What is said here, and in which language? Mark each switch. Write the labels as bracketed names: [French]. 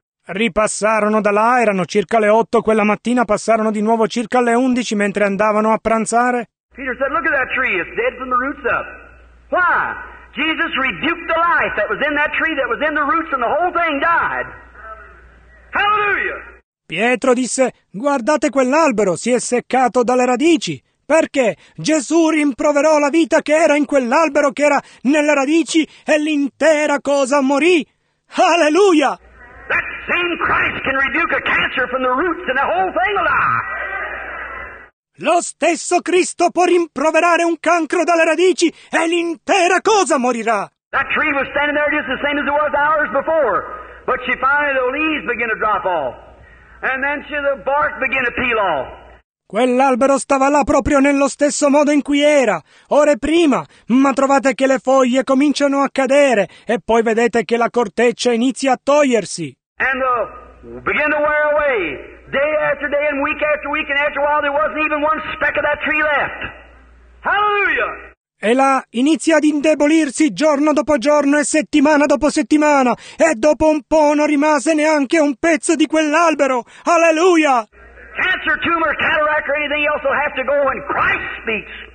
[Italian] Ripassarono da là, erano circa le 8 quella mattina, passarono di nuovo circa le 11 mentre andavano a pranzare. [English] Peter said, look at that tree, it's dead from the roots up. Why? Jesus rebuked the life that was in that tree, that was in the roots, and the whole thing died. Hallelujah! [Italian] Pietro disse, guardate quell'albero, si è seccato dalle radici. Perché Gesù rimproverò la vita che era in quell'albero, che era nelle radici, e l'intera cosa morì. Alleluia! [English] That same Christ can rebuke a cancer from the roots and the whole thing will die. [Italian] Lo stesso Cristo può rimproverare un cancro dalle radici e l'intera cosa morirà. [English] That tree was standing there just the same as it was hours before, but she finally the leaves begin to drop off, and then she the bark begin to peel off. [Italian] Quell'albero stava là proprio nello stesso modo in cui era, ore prima, ma trovate che le foglie cominciano a cadere e poi vedete che la corteccia inizia a togliersi. [English] And begin to wear away, day after day and week after week, and after a while there wasn't even one speck of that tree left. Hallelujah! [Italian] E là inizia ad indebolirsi giorno dopo giorno e settimana dopo settimana, e dopo un po' non rimase neanche un pezzo di quell'albero. Alleluia! [English] Cancer, tumor, cataract, or anything else will have to go when Christ speaks.